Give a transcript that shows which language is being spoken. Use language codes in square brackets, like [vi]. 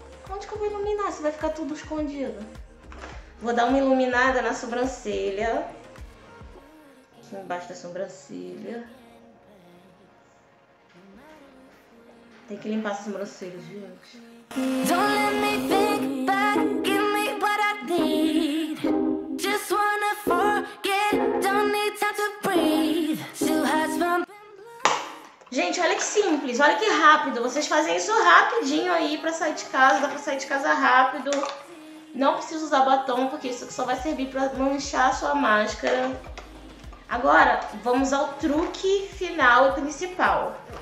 [pt] Onde que eu vou iluminar? Se vai ficar tudo escondido. Vou dar uma iluminada na sobrancelha. Aqui embaixo da sobrancelha. Tem que limpar a sobrancelha, gente. [en] Don't let me think back, give me what I need. Just wanna forget, don't need time to breathe. To has been... [pt] Gente, olha que simples, olha que rápido. Vocês fazem isso rapidinho aí pra sair de casa, dá pra sair de casa rápido. Não precisa usar batom, porque isso só vai servir pra manchar a sua máscara. Agora, vamos ao truque final e principal.